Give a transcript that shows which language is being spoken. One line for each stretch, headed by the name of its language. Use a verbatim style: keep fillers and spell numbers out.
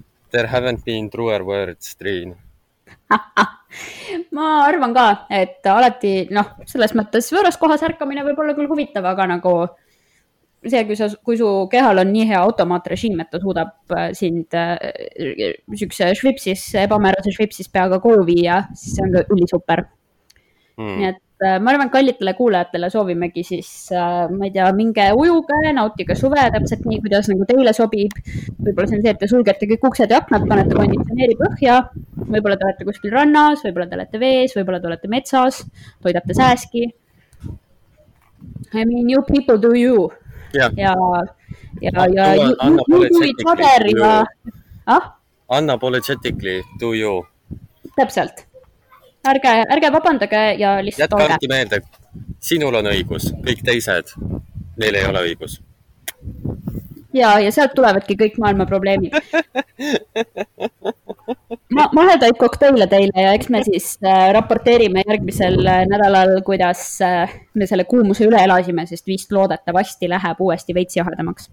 English: There haven't been truer words, Triin.
Estonian: Ma arvan ka, et alati, noh, selles mõttes võõras kohas ärkamine võib olla küll huvitav, aga nagu see, kui, sa, kui su kehal on nii hea automaatrežiim, et ta suudab sind sükse švipsis, ebamäärase švipsis peaga koju viia, siis see on ka üli super. Hmm. Nii et ma arvan, kallitele kuulajatele soovimegi siis, ma ei tea, minge ujuge, nautige suve täpselt nii, kuidas nagu teile sobib. Võibolla see on see, et te sulgete kõik uksed ja aknad, panete konditsioneeri põhja. Võibolla te olete kuskil rannas, võibolla te olete vees, võibolla te olete metsas, toidate sääski.
English: I mean, you people do you. Yeah. Ja, ja, ja, ja, you, you, you do it other. Ja... Ah? Unapologetically do you.
Estonian: Täpselt. Ärge, ärge vabandage ja lihtsalt olge. Jätke meelde, sinul on õigus, kõik teised, neil ei ole õigus. Ja, ja sealt tulevadki kõik maailma probleemid. Ma, mahedad kokteile teile ja eks me siis raporteerime järgmisel nädalal, kuidas me selle kuumuse üle elasime, sest vist loodetavasti läheb uuesti veitsi jahedamaks.